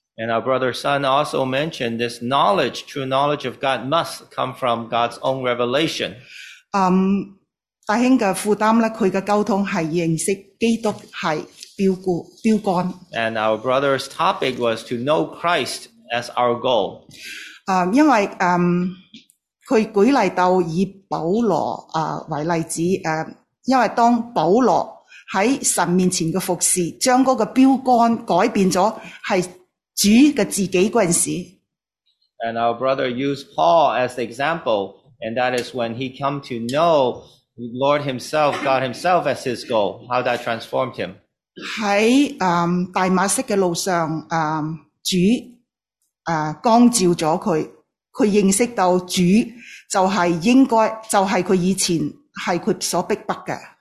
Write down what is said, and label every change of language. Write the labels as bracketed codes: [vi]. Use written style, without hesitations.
[en] And our brother Sun also mentioned this knowledge, true knowledge of God must come from God's own revelation. [yue] 弟兄嘅负担咧，佢嘅沟通系认识基督系标杆。 [en] And our brother's topic was to know Christ as our goal. [yue] 因为佢举例到以保罗为例子，因为当保罗喺神面前嘅服侍，将嗰个标杆改变咗系。主嘅自己嗰阵时 [en] ，and our brother used Paul as the example, and that is when he come to know Lord Himself, God Himself as his goal. How that transformed him. [yue] 喺大马色嘅路上，主光照咗佢，佢认识到主就系应该就系佢以前系佢所逼迫嘅。